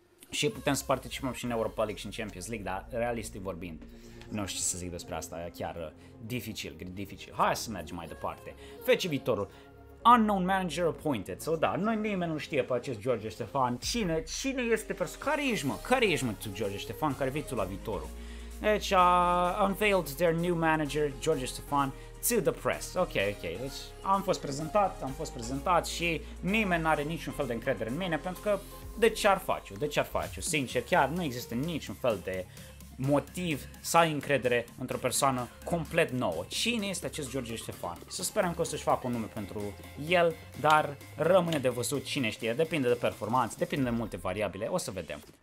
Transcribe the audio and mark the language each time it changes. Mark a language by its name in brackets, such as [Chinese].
[Romanian] Și putem să participăm și în Europa League și în Champions League. Dar realistic vorbind, nu știu ce să zic despre asta, e chiar dificil, dificil. Hai să mergem mai departe. FC Viitorul, [English] unknown manager appointed. [Romanian] So da, noi nimeni nu știe pe acest George Ștefan. Cine este persoana? Care ești, mă, tu, George Ștefan, care vii tu la Viitorul? Deci, [English] unveiled their new manager, George Ștefan, to the press. [Romanian] Ok, deci am fost prezentat și nimeni n-are niciun fel de încredere în mine, pentru că de ce ar face-o? Sincer, chiar nu există niciun fel de motiv să ai încredere într-o persoană complet nouă. Cine este acest George Ștefan? Să sperăm că o să-și facă un nume pentru el, dar rămâne de văzut, cine știe, depinde de performanță, depinde de multe variabile, o să vedem.